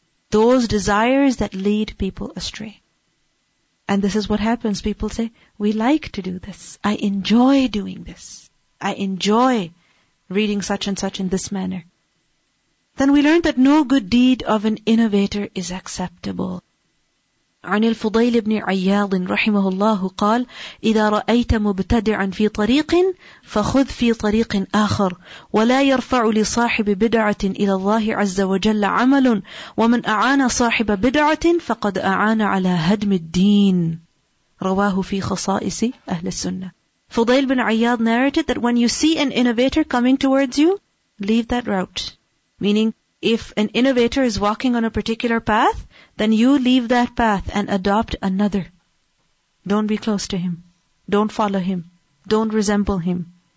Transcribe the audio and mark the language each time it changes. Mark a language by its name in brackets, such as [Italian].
[English] Those desires that lead people astray. And this is what happens. People say, we like to do this. I enjoy doing this. I enjoy reading such and such in this manner. Then we learned that no good deed of an innovator is acceptable. [Arabic] عن الفضيل بن عياض رحمه الله قال إذا رأيت مبتدعا في طريق فخذ في طريق آخر ولا يرفع لصاحب بدعة إلى الله عز وجل عمل ومن أعان صاحب بدعة فقد أعان على هدم الدين رواه في خصائص أهل السنة. [English] فضيل بن عياض narrated that when you see an innovator coming towards you, leave that route. Meaning, if an innovator is walking on a particular path, then you leave that path and adopt another. Don't be close to him. Don't follow him. Don't resemble him.